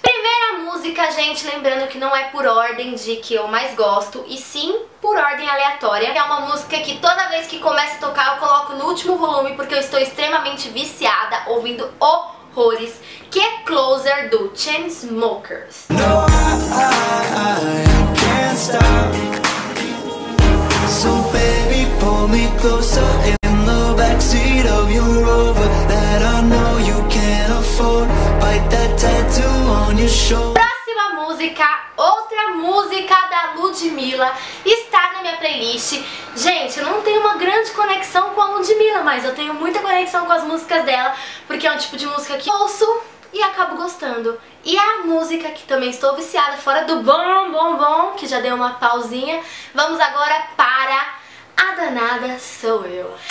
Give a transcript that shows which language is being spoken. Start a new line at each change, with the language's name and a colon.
Portuguese: Primeira música, gente, lembrando que não é por ordem de que eu mais gosto, e sim por ordem aleatória. É uma música que toda vez que começa a tocar eu coloco no último volume, porque eu estou extremamente viciada, ouvindo horrores, que é Closer, do Chainsmokers.
English: No, I can't stop. So baby, pull me closer in the backseat of your Rover that I know you can't afford. Bite that tattoo on your shoulder.
Portuguese: Próxima música, outra música da Ludmilla, está na minha playlist. Gente, eu não tenho uma grande conexão com a Ludmilla, mas eu tenho muita conexão com as músicas dela, porque é um tipo de música que ouço e acabo gostando. E a música que também estou viciada, fora do bom, bom, bom, que já deu uma pausinha, vamos agora para A Danada Sou Eu.